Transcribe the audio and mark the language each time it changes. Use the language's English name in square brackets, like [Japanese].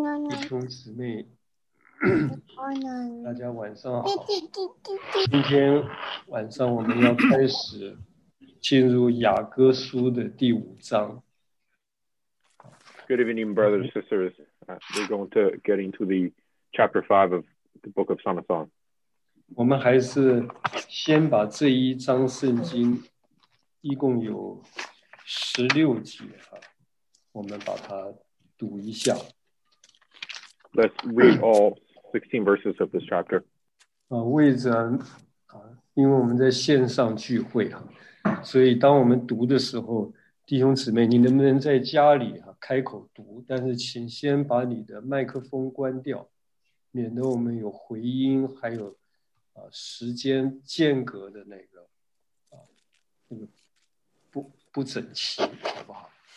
[Chinese] 弟兄姊妹，大家晚上好。今天晚上我们要开始进入雅各书的第五章。 [English] Good evening, brothers and sisters. We're going to get into the chapter 5 of the book of Song of Songs. [Chinese] 我们还是先把这一章圣经，一共有16节啊，我们把它读一下。 [English] Let's read all 16 verses of this chapter. [Chinese] 为着因为我们在线上聚会啊，所以当我们读的时候，弟兄姊妹，你能不能在家里啊开口读？但是请先把你的麦克风关掉，免得我们有回音，还有时间间隔的那个不整齐，好不好